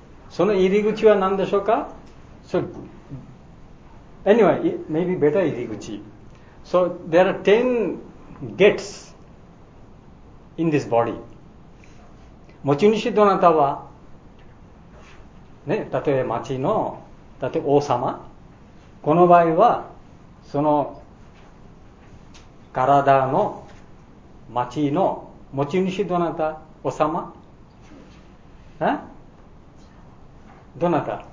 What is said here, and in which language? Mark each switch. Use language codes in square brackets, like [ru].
[ja] その入り口は何でしょうか、そう、 [en] Anyway, maybe better [ja] 入り口。 [en] So there are 10 gates in this body. [ja] 持ち主どなたは、ね、例えば町の、例えば王様、この場合はその体の町の持ち主どなた、王様、どなた。